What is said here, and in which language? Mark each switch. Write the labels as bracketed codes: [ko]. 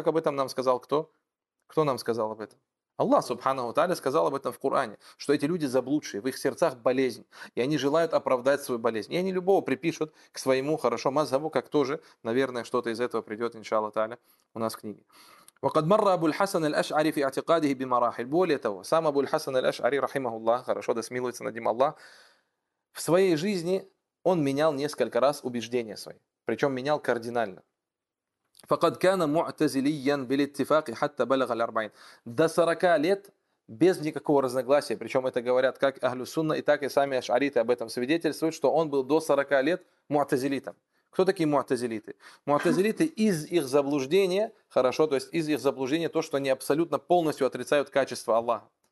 [ru] Как об этом нам сказал кто? Кто нам сказал об этом? Аллах Субханаху Тааля сказал об этом в Коране, что эти люди заблудшие, в их сердцах болезнь, и они желают оправдать свою болезнь. И они любого припишут к своему хорошо мазхабу, как тоже, наверное, что-то из этого придет, иншаллах Тааля, у нас в книге. [ar] وقد مر أبو الحسن الأشعري في اعتقاده بمراحل. [ru] Более того, сам Абу Хасан аль-Ашари, рахимахуллах, хорошо, да смилуется над ним Аллах, в своей жизни он менял несколько раз убеждения свои, причем менял кардинально. [ar] فقد كان معتزليا بالاتفاق حتى بلغ الأربعين. [ru] До 40 лет без никакого разногласия, причем это говорят как Ахлю Сунна, и так и сами ашариты об этом свидетельствуют, что он был до 40 лет муатазилитом. Кто такие муатазилиты? Муатазилиты из их заблуждения, хорошо, то есть из их заблуждения то, что они абсолютно полностью отрицают качество Аллаха.